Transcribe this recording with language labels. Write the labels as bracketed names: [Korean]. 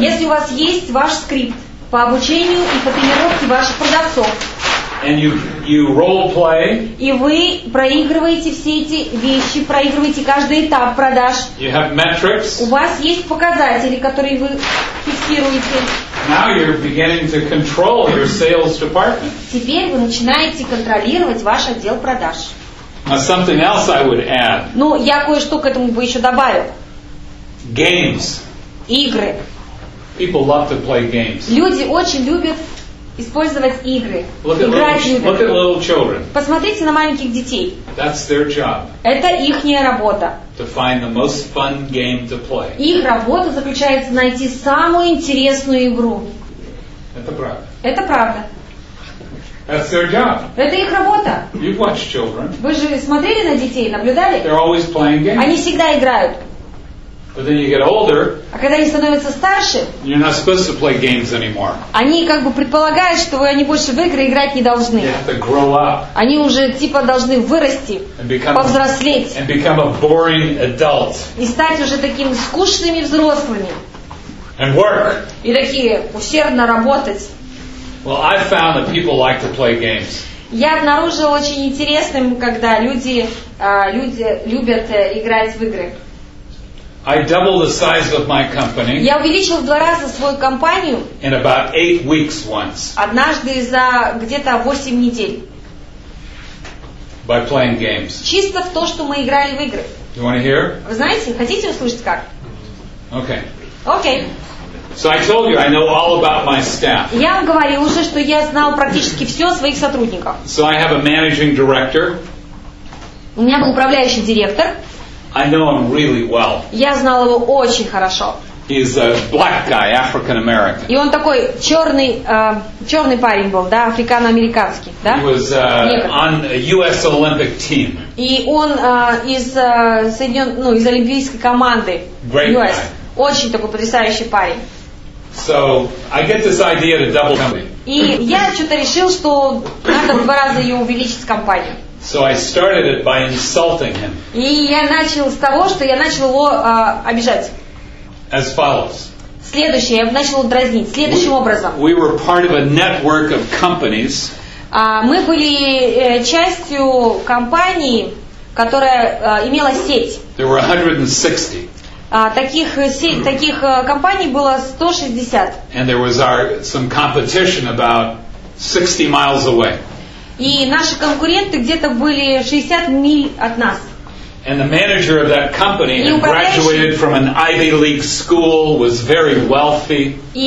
[Russian] если у вас есть ваш скрипт по обучению и по тренировке ваших продавцов, [English] and you role play, [Russian] и вы проигрываете все эти вещи, проигрываете каждый этап продаж, [English] you have metrics, [Russian] у вас есть показатели, которые вы фиксируете. [English] Now you're beginning to control your sales department. [Russian] Теперь вы начинаете контролировать ваш отдел продаж. [English] Now something else I would add. [Russian] Ну, я кое-что к этому бы еще добавил. [English] Games. [Russian] Игры. [English] People love to play games. [Russian] Люди очень любят использовать игры. [English] Look at little children. [Russian] Посмотрите на маленьких детей. [English] That's their job. [Russian] Это ихняя работа. [English] To find the most fun game to play. [Russian] Их работа заключается найти самую интересную игру. Это правда. Это правда. [English] That's their job. [Russian] Это их работа. [English] You've watched children. [Russian] Вы же смотрели на детей, наблюдали? [English] They're always playing games. [Russian] Они всегда играют. [English] But then you get older. [Russian] А когда они становятся старше, [English] you're not supposed to play games anymore. [Russian] Они как бы предполагают, что они больше в игры играть не должны. [English] You have to grow up. [Russian] Они уже типа должны вырасти, повзрослеть. [English] And become a boring adult. [Russian] И стать уже такими скучными взрослыми. [English] And work. [Russian] И такие усердно работать. [English] Well, I found that people like to play games. [Russian] Я обнаружила очень интересным, когда люди любят играть в игры. [English] I doubled the size of my company. [Russian] Я увеличил в два раза свою компанию. [English] In about 8 weeks once. [Russian] Однажды за где-то 8 недель. [English] By playing games. [Russian] Чисто в то, что мы играли в игры. [English] You want to hear? [Russian] Вы знаете, хотите услышать как? [English] Okay. Okay. So I told you I know all about my staff. [Russian] Я вам говорил уже, что я знал практически все о своих сотрудниках. [English] So I have a managing director. [Russian] У меня был управляющий директор. [English] I know him really well. [Russian] Я знал его очень хорошо. [English] He's a black guy, African American. [Russian] И он такой черный парень был, да, африкано-американский, да? [English] He was on a U.S. Olympic team. [Russian] И он из олимпийской команды. [English] Great US. Guy. [Russian] Очень такой потрясающий парень. [English] So I get this idea to double company. [Russian] И я что-то решил, что надо в два раза ее увеличить компанию. [English] So I started it by insulting him. [Russian] И я начал с того, что я начал его обижать. [English] As follows. [Russian] Следующее, я начал его дразнить. Следующим образом. [English] We were part of a network of companies. [Russian] Мы были частью компании, которая имела сеть. [English] There were 160. [Russian] Таких компаний было 160. [English] And there was some competition about 60 miles away. [Russian] И наши конкуренты где-то были 60 миль от нас. [English] And the manager of that company had graduated from an Ivy League school, was very wealthy.